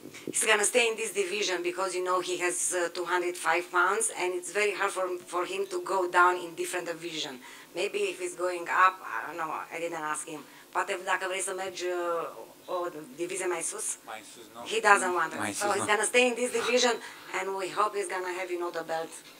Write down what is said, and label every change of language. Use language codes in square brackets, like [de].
[en] He's gonna stay in this division because, you know, he has 205 pounds and it's very hard for him to go down in different division. Maybe if he's going up, I don't know, I didn't ask him. [ro] Poate dacă vrei să mergi o divizie mai sus? Mai sus, nu. [en] He doesn't want it. So he's gonna stay in this division and we hope he's gonna have, you know, the belt.